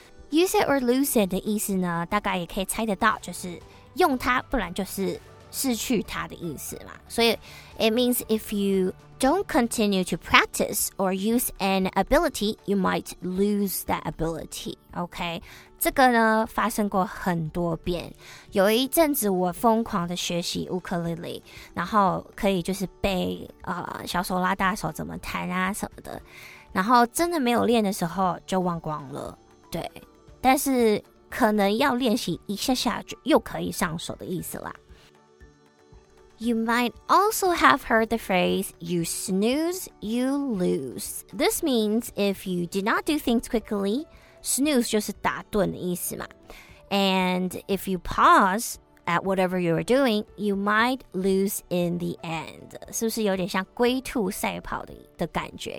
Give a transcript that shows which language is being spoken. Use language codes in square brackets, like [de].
[en] Use it or lose it [zh] 的意思呢，大概也可以猜得到，就是用它，不然就是失去它的意思嘛。所以 [en] it means if you don't continue to practice or use an ability, you might lose that ability. [zh] Okay, 这个呢发生过很多遍。有一阵子我疯狂的学习乌克丽丽，然后可以就是背小手拉大手怎么弹啊什么的，然后真的没有练的时候就忘光了。对，但是可能要练习一下下就又可以上手的意思啦。 [en] You might also have heard the phrase, you snooze, you lose. This means if you do not do things quickly, snooze [zh] 就是打顿的意思嘛。 [en] And if you pause at whatever you are doing, you might lose in the end. [zh] 是不是有点像龟兔赛跑 的感觉？